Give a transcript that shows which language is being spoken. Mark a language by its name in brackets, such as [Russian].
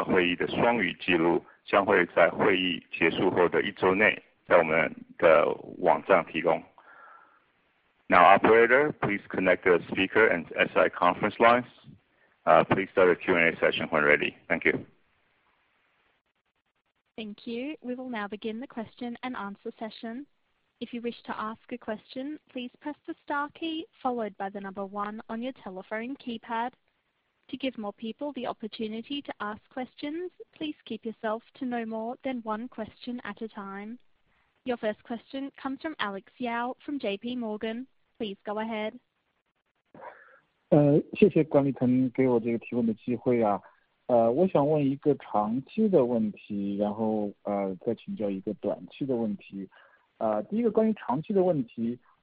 [Chinese] 大家好，今天的电话会议，欢迎您用中文或英文提问。我们会有第三方公众人员提供实时的翻译。我们管理层会按您提供的语言回答您的问题。翻译目的方便大家理解，主要任何疑义，请以我们管理层原始语言所做的陈述为准。如您无法听到中文翻译，本次电话会议的双语记录 将会在会议结束后的一周内在我们的网站提供。 [English] Now, operator, please connect the speaker and SI conference lines. Please start the Q&A session when ready. Thank you. Thank you. We will now begin the question and answer session. If you wish to ask a question, please press the star key followed by the number one on your telephone keypad. To give more people the opportunity to ask questions, please keep yourself to no more than one question at a time. Your first question comes from Alex Yao from JP Morgan. Please go ahead. [Chinese] 谢谢管理层给我这个提问的机会啊。我想问一个长期的问题，然后再请教一个短期的问题。第一个关于长期的问题。